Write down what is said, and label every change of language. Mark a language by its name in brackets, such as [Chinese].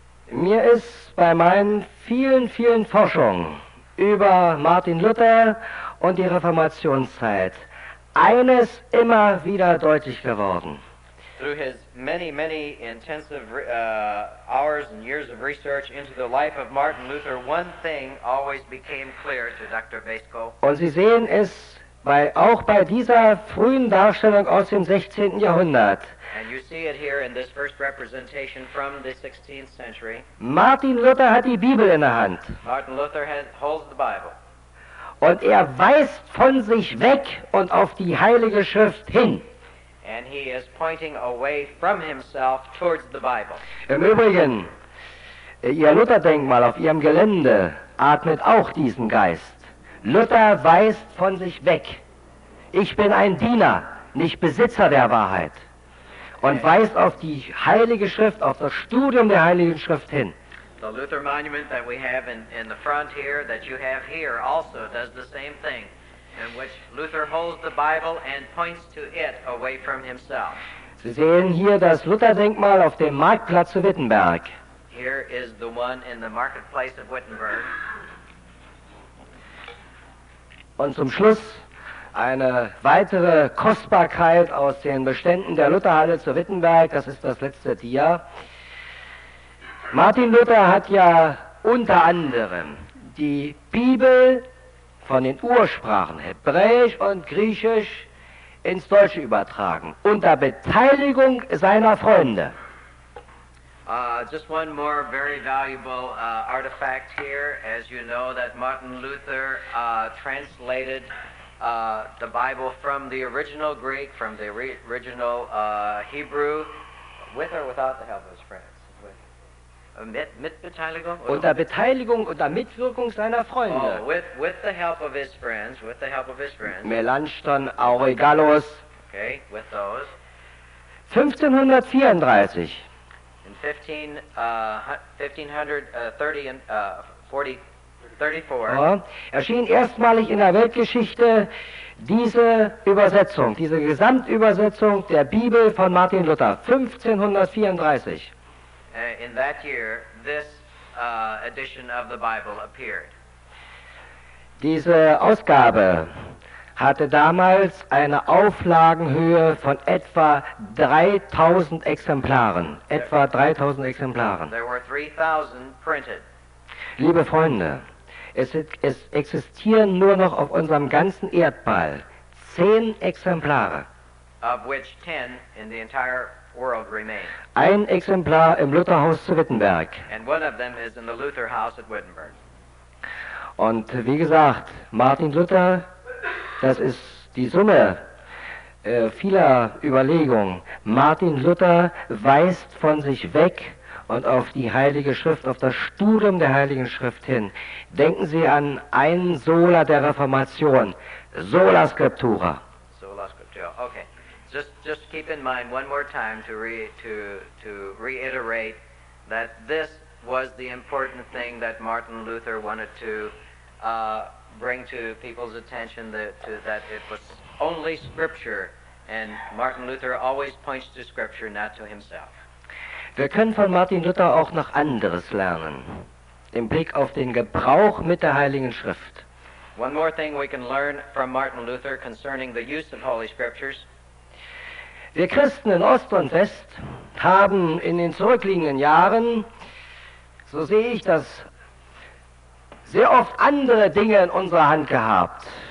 [German] Mir ist bei meinen vielen, vielen Forschungen über Martin Luther und die Reformationszeit eines immer wieder deutlich geworden. [English] Through his many, many intensive hours and years of research into the life of Martin Luther, one thing always became clear to Dr. Basko. [German] Und Sie sehen es auch bei dieser frühen Darstellung aus dem 16. Jahrhundert. [English] And you see it here in this first representation from the 16th century. [German] Martin Luther hat die Bibel in der Hand. [English] Martin Luther holds the Bible. [German] Und er weist von sich weg und auf die Heilige Schrift hin. [English] And he is pointing away from himself towards the Bible. [German] Im Übrigen, Ihr Lutherdenkmal auf Ihrem Gelände atmet auch diesen Geist. Luther weist von sich weg. Ich bin ein Diener, nicht Besitzer der Wahrheit. Und weist auf die Heilige Schrift, auf das Studium der Heiligen Schrift hin. [English] The Luther Monument that we have in the front here, that you have here, also does the same thing. in which Luther holds the Bible and points to it away from himself. [German] Sie sehen hier das Lutherdenkmal auf dem Marktplatz zu Wittenberg. [English] Here is the one in the marketplace of Wittenberg. [German] Und zum Schluss eine weitere Kostbarkeit aus den Beständen der Lutherhalle zu Wittenberg, das ist das letzte Dia. Martin Luther hat ja unter anderem die Bibel von den Ursprachen Hebräisch und Griechisch ins Deutsche übertragen, unter Beteiligung seiner Freunde. [English] Just one more very valuable artifact here. As you know, that Martin Luther translated the Bible from the original Greek, from the original Hebrew, with or without the help of his friends? [German] Mit Beteiligung? Unter Beteiligung, unter Mitwirkung seiner Freunde. [English] Oh, with the help of his friends, with the help of his friends. Melanchthon, Aurigallus. Okay, with those. 1534. In 1534 [German] erschien erstmalig in der Weltgeschichte diese Übersetzung, diese Gesamtübersetzung der Bibel von Martin Luther, 1534. [English] In that year, this edition of the Bible appeared. [German] Diese Ausgabe hatte damals eine Auflagenhöhe von etwa 3000 Exemplaren. Etwa 3000 Exemplaren. [English] There were 3000 printed. [German] Liebe Freunde, es existieren nur noch auf unserem ganzen Erdball 10 Exemplare. [English] Of which 10 in the entire world remain. [German] Ein Exemplar im Lutherhaus zu Wittenberg. [English] And one of them is in the Luther House at Wittenberg. [German] Und wie gesagt, Martin Luther, das ist die Summe vieler Überlegungen. Martin Luther weist von sich weg und auf die Heilige Schrift, auf das Studium der Heiligen Schrift hin. Denken Sie an einen Sola der Reformation, Sola Scriptura. [English] Sola Scriptura, okay. Just keep in mind one more time to reiterate that this was the important thing that Martin Luther wanted to bring to people's attention that it was only Scripture, and Martin Luther always points to Scripture, not to himself. [German] Wir können von Martin Luther auch noch anderes lernen, im Blick auf den Gebrauch mit der Heiligen Schrift. [English] One more thing we can learn from Martin Luther concerning the use of Holy Scriptures. [German] Wir Christen in Ost und West haben in den zurückliegenden Jahren, so sehe ich das, sehr oft andere Dinge in unserer Hand gehabt.